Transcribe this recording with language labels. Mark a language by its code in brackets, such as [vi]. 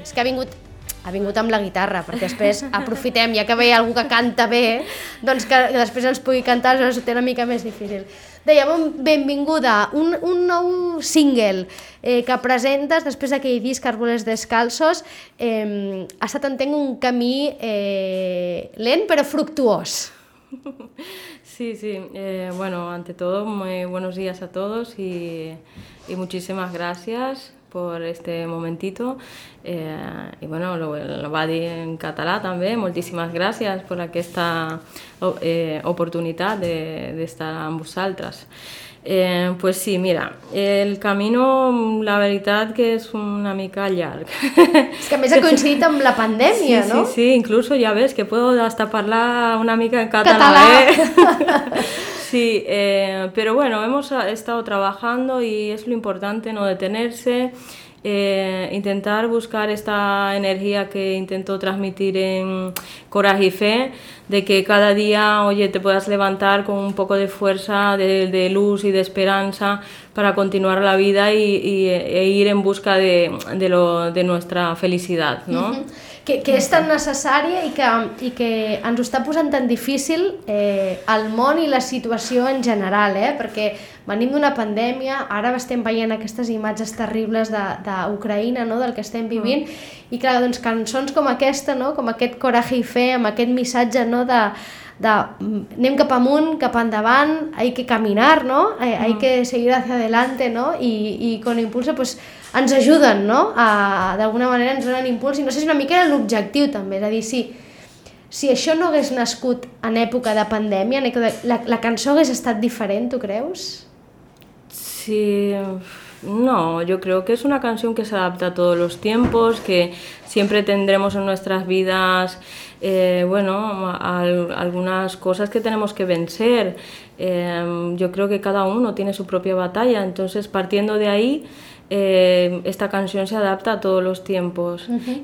[ca] És que ha vingut amb la guitarra, perquè després aprofitem, ja que ve algú que canta bé, doncs que després ens pugui cantar, això té una mica més difícil. Deia, benvinguda, un nou single que presentes després d'aquell disc Árboles Descalzos. Ha estat, entenc, un camí lent però fructuós. [es] Sí, sí, bueno, ante todo, muy buenos días a todos y muchísimas gracias por este momentito. Y bueno, lo va a [ca] dir en català també, moltíssimes gràcies per aquesta oportunitat de estar amb vosaltres. [es] Pues sí, mira, el camino, [ca] la veritat que és una mica llarg. És que a més ha coincidit amb la pandèmia, sí, no? [es] Sí, sí, incluso ja ves que puedo hasta [ca] parlar una mica en català, [es] Sí, pero bueno, hemos estado trabajando y es lo importante no detenerse, intentar buscar esta energía que intento transmitir en Coraje y Fe, de que cada día, oye, te puedas levantar con un poco de fuerza, de luz y de esperanza para continuar la vida e ir en busca de nuestra felicidad, ¿no? Uh-huh. [ca] Que és tan necessària i que ens ho està posant tan difícil el món i la situació en general, perquè venim d'una pandèmia, ara estem veient aquestes imatges terribles d'Ucraïna, no?, del que estem vivint, i clar, doncs cançons com aquesta, no?, com aquest Coraje y Fe, amb aquest missatge, no?, de anem cap amunt, cap endavant, [es] hay que caminar, no?, hay que seguir hacia adelante, [ca] no?, i [es] con impulso, pues, [ca] ens ajuden, no?, d'alguna manera ens donen impuls, i no sé si una mica era l'objectiu també, és a dir, si això no hagués nascut en època de pandèmia, la cançó hagués estat diferent, tu creus? [es] Sí, no, yo creo que es una canción que se adapta a todos los tiempos, que siempre tendremos en nuestras vidas, bueno, algunas cosas que tenemos que vencer. Yo creo que cada uno tiene su propia batalla, entonces partiendo de ahí, esta canción se adapta a todos los tiempos. Uh-huh.